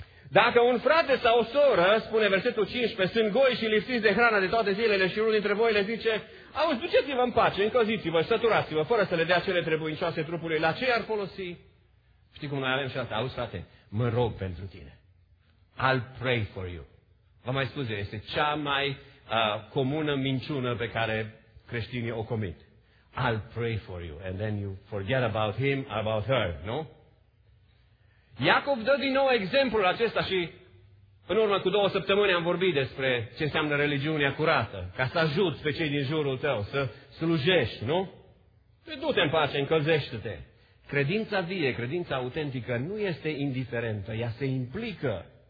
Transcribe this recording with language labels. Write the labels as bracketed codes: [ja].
[ro] Dacă un frate sau o soră, spune versetul 15, sunt goi și lipsiți de hrana de toate zilele și unul dintre voi le zice, auzi, duceți-vă în pace, încălziți-vă, săturați-vă, fără să le dea cele trebuincioase trupului, la ce ar folosi? Știi cum noi avem și asta? Auzi, frate, mă rog pentru tine. [en] I'll pray for you. [ro] V-am mai spus, este cea mai comună minciună pe care creștinii o comit. [en] I'll pray for you and then you forget about him, about her, nu? [ro] Iacov dă din nou exemplul acesta și în urmă cu două săptămâni am vorbit despre ce înseamnă religiunea curată, ca să ajuți pe cei din jurul tău, să slujești, nu? Du-te în pace, încălzește-te. Credința vie, credința autentică nu este indiferentă, ea se implică.